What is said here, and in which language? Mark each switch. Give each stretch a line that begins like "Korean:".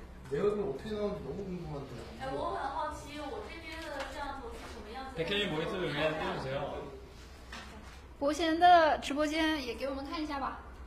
Korean: 내가 그럼 어떻게 나오는지 너무 궁금한데.
Chinese: 我很好奇我这边的摄像头是什么样子的.
Korean: 백현이 모니터를 그냥 띄워주세요.
Chinese: 博贤的 直播间 也给我们看一下吧.